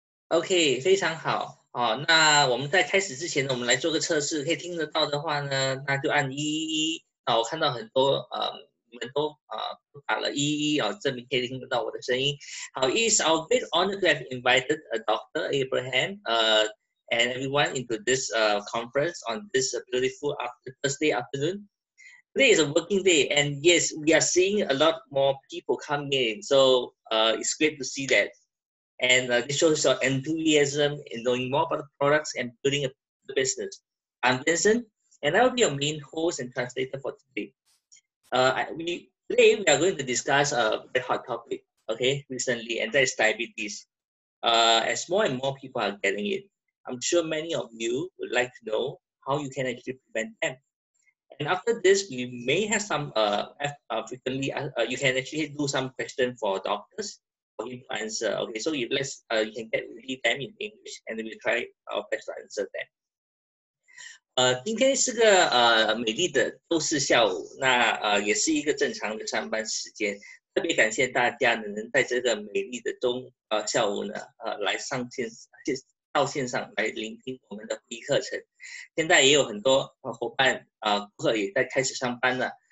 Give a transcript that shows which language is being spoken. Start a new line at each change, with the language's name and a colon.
English: Okay,
Chinese: 非常好。好，那我们在开始之前呢，我们来做个测试。可以听得到的话呢，那就按一一一。我看到很多们都打了一一啊，证明可以听得到我的声音。好
English: ，It's our great honor to have invited Dr. Abraham and everyone into this conference on this beautiful Thursday afternoon. Today is a working day, and yes, we are seeing a lot more people coming in. So it's great to see that. And this shows your enthusiasm in knowing more about the products and building a business. I'm Vincent, and I will be your main host and translator for today. Today we are going to discuss a very hot topic, okay, recently, and that is diabetes. As more and more people are getting it, I'm sure many of you would like to know how you can actually prevent them. And after this, we may have some frequently, you can actually do some questions for doctors for him to answer. Okay, so you can get really them in English, and we'll try our best to answer them.
Chinese: 今天是个美丽的周四下午，那也是一个正常的上班时间。特别感谢大家能在这个美丽的中下午呢，来上线到线上来聆听我们的会议课程。现在也有很多伙伴顾客也在开始上班了。